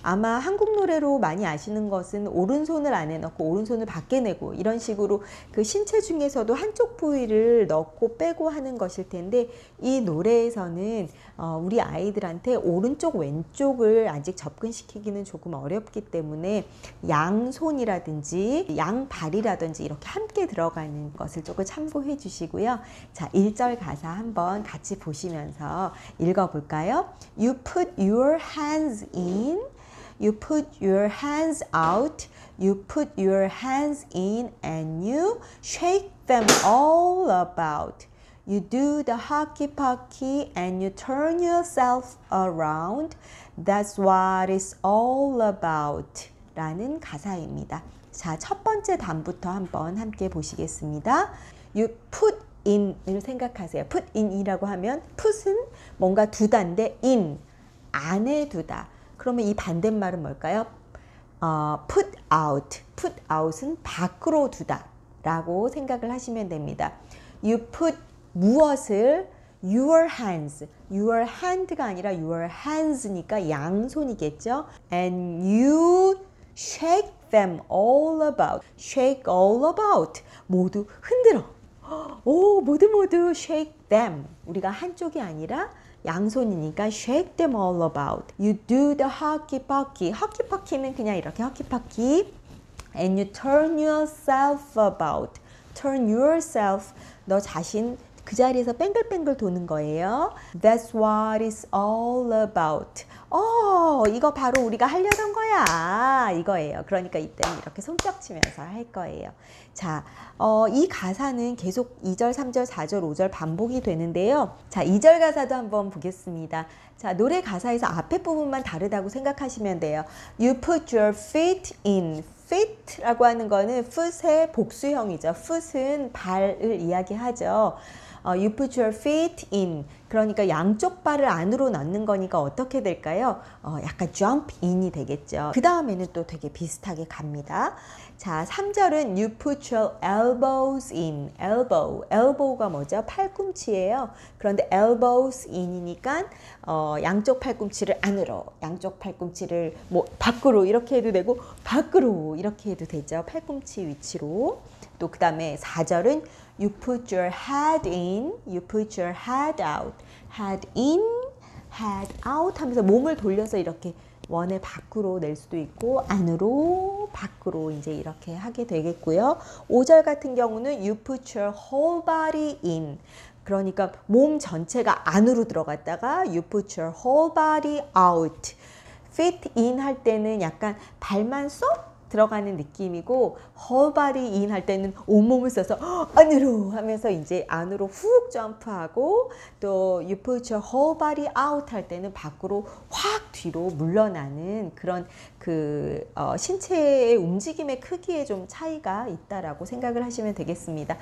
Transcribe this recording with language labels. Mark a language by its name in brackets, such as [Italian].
[Korean] 아마 한국 노래로 많이 아시는 것은 오른손을 안에 넣고 오른손을 밖에 내고 이런 식으로 그 신체 중에서도 한쪽 부위를 넣고 빼고 하는 것일 텐데 이 노래에서는 우리 아이들한테 오른쪽 왼쪽을 아직 접근시키기는 조금 어렵기 때문에 양손이라든지 양발이라든지 이렇게 함께 들어가는 것을 조금 참고해 주시고요. 자, 1절 가사 한번 같이 보시면서 읽어볼까요? [English] You put your hands in, you put your hands out, you put your hands in and you shake them all about. You do the hockey pocky and you turn yourself around. That's what it's all about. [Korean] 라는 가사입니다. 자, 첫 번째 단부터 한번 함께 보시겠습니다. [English] You put in을 [Korean] 생각하세요. Put in이라고 하면 put은 뭔가 두다인데 in, 안에 두다. 그러면 이 반대말은 뭘까요? [English] Put out. [Korean] Put out은 밖으로 두다 라고 생각을 하시면 됩니다. [English] You put [Korean] 무엇을 [English] your hands, your hand가 아니라 your hands니까 [Korean] 양손이겠죠. [English] And you shake them all about, shake all about, [Korean] 모두 흔들어. 오, 모두 모두 [English] shake them. [Korean] 우리가 한쪽이 아니라 양손이니까 [English] shake them all about. You do the hockey pocky. Hockey pocky는 [Korean] 그냥 이렇게 [English] hockey pocky. And you turn yourself about. Turn yourself, [Korean] 너 자신 그 자리에서 뺑글뺑글 도는 거예요. [English] That's what it's all about. [Korean] 이거 바로 우리가 하려던 거야. 이거예요. 그러니까 이때는 이렇게 손뼉 치면서 할 거예요. 자, 이 가사는 계속 2절, 3절, 4절, 5절 반복이 되는데요. 자, 2절 가사도 한번 보겠습니다. 자, 노래 가사에서 앞에 부분만 다르다고 생각하시면 돼요. [English] You put your feet in. [Korean] Feet라고 하는 거는 foot의 복수형이죠. Foot은 발을 이야기하죠. [English] You put your feet in. [Korean] 그러니까 양쪽 발을 안으로 넣는 거니까 어떻게 될까요? 약간 jump in이 되겠죠. 그 다음에는 또 되게 비슷하게 갑니다. 자, 3절은 [English] You put your elbows in. [Korean] Elbow. Elbow가 뭐죠? 팔꿈치예요. 그런데 elbows in이니까 양쪽 팔꿈치를 안으로, 양쪽 팔꿈치를 뭐 밖으로 이렇게 해도 되고 밖으로 이렇게 해도 되죠. 팔꿈치 위치로. 또 그 다음에 4절은 [English] You put your head in, you put your head out. [Korean] Head in, head out 하면서 몸을 돌려서 이렇게 원의 밖으로 낼 수도 있고 안으로, 밖으로 이제 이렇게 하게 되겠고요. 5절 같은 경우는 [English] You put your whole body in. [Korean] 그러니까 몸 전체가 안으로 들어갔다가 [English] You put your whole body out. [Korean] Fit in 할 때는 약간 발만 쏙 들어가는 느낌이고 whole body in 할 때는 온몸을 써서 안으로 하면서 이제 안으로 훅 점프하고 또 [English] you put your whole body out [Korean] 할 때는 밖으로 확 뒤로 물러나는 그런 그 신체의 움직임의 크기에 좀 차이가 있다라고 생각을 하시면 되겠습니다.